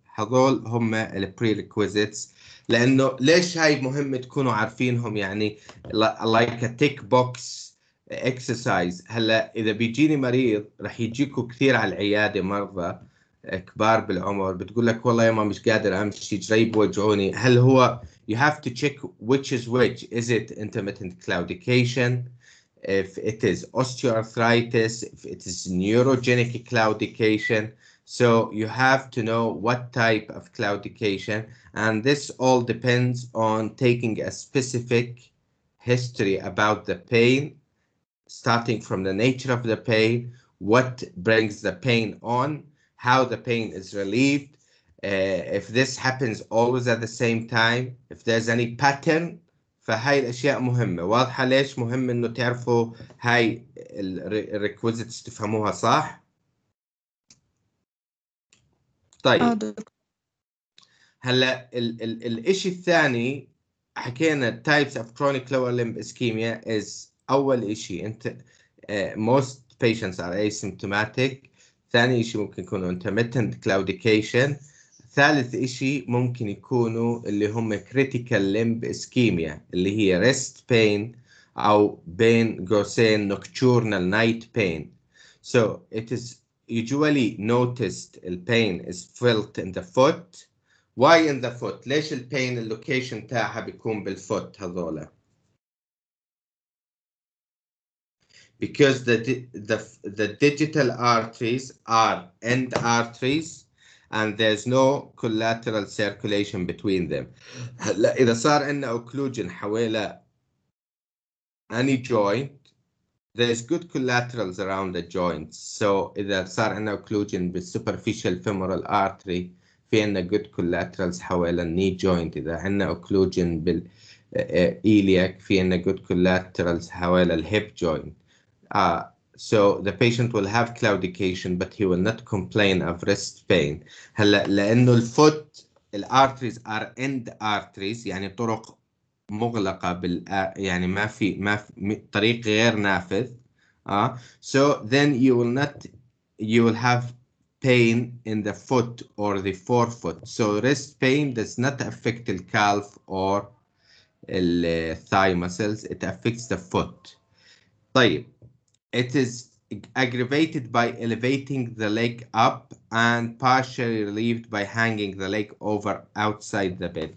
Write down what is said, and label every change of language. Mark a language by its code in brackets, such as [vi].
[ar] هذول هم prerequisites. لأنه ليش هاي مهم تكونوا عارفينهم, يعني [en] like a tick box exercise. [ar] هلأ إذا بيجيني مريض, رح يجيكوا كثير على العيادة مرضى كبار بالعمر بتقول لك والله يا ما مش قادر أمشي, جريب وجعوني. هل هو [en] you have to check which is which, is it intermittent claudication, if it is osteoarthritis, if it is neurogenic claudication. So you have to know what type of claudication, and this all depends on taking a specific history about the pain, starting from the nature of the pain, what brings the pain on, how the pain is relieved, if this happens always at the same time, if there's any pattern. [ar] فهاي الأشياء مهمة. واضحة ليش مهم إنه تعرفوا هاي الrequisites تفهموها صح؟ طيب, هلأ الإشي الثاني حكينا [en] types of chronic lower limb ischemia is [ar] أول إشي أنت [en] most patients are asymptomatic, [ar] ثاني إشي ممكن يكونوا [en] intermittent claudication, [ar] ثالث إشي ممكن يكونوا اللي هم [en] critical limb ischemia [ar] اللي هي [en] rest pain [ar] أو بين قوسين [en] nocturnal night pain. So it is usually noticed the pain is felt in the foot. Why in the foot? [ar] ليش [en] the pain location [ar] تاعها بيكون بالfoot هذولا? [en] Because the digital arteries are end arteries and there's no collateral circulation between them. [ar] إذا صار عندنا [en] occlusion [ar] حوالي [en] any joint, there's good collaterals around the joints. So [ar] إذا صار عندنا [en] occlusion بالsuperficial femoral artery, [ar] في عندنا [en] good collaterals [ar] حوالي [en] knee joint. [ar] إذا عندنا [en] occlusion بالiliac, [ar] في عندنا [en] good collaterals [ar] حوالي [en] hip joint. So the patient will have claudication, but he will not complain of wrist pain. [ar] هلا لأنه الفوت, [en] the arteries are end arteries, [ar] يعني طرق مغلقة بال, يعني ما في طريق غير نافذ. [en] So then you will have pain in the foot or the forefoot. So wrist pain does not affect the calf or the thigh muscles. It affects the foot. [ar] طيب. [en] It is aggravated by elevating the leg up and partially relieved by hanging the leg over outside the bed.